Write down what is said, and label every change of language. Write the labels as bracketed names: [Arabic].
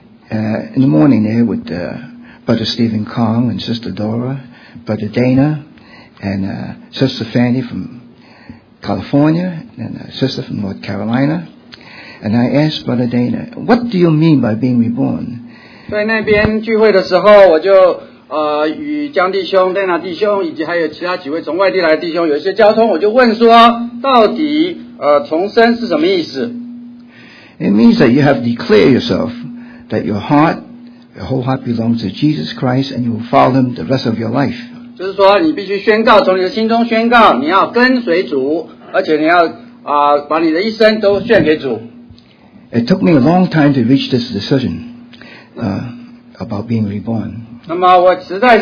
[English] In the morning there with Brother Stephen Kong and Sister Dora, Brother Dana, and Sister Fanny from California and a sister from North Carolina. And I asked Brother Dana, what do you mean by being reborn? [Chinese] 在那边聚会的时候，我就与江弟兄、Dana弟兄以及还有其他几位从外地来的弟兄有一些交通，我就问说，到底重生是什么意思？ [English] It means that you have declared yourself that your heart, your whole heart belongs to Jesus Christ, and you will follow him the rest of your life. [Chinese] 就是说，你必须宣告，从你的心中宣告，你要跟随主，而且你要把你的一生都献给主。 [English] It took me a long time to reach this decision about being reborn.